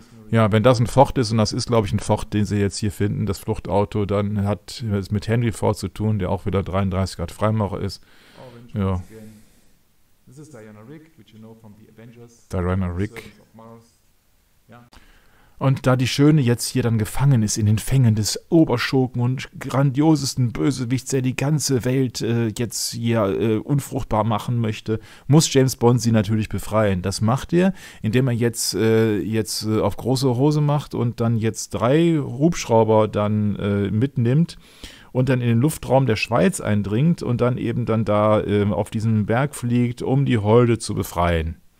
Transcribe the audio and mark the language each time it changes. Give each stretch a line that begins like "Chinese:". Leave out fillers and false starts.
German: Ja, wenn das ein Ford ist, und das ist, glaube ich, ein Ford, den sie jetzt hier finden, das Fluchtauto, dann hat es mit Henry Ford zu tun, der auch wieder 33 Grad Freimaurer ist. Ja.
English: This is Diana Rigg, which you know from the Avengers.
German: Diana Rigg. Und da die Schöne jetzt hier dann gefangen ist in den Fängen des Oberschurken und grandiosesten Bösewichts, der die ganze Welt jetzt hier unfruchtbar machen möchte, muss James Bond sie natürlich befreien. Das macht er, indem er jetzt auf große Hose macht und dann jetzt drei Hubschrauber dann mitnimmt und dann in den Luftraum der Schweiz eindringt und dann eben dann da auf diesen Berg fliegt, um die Holde zu befreien.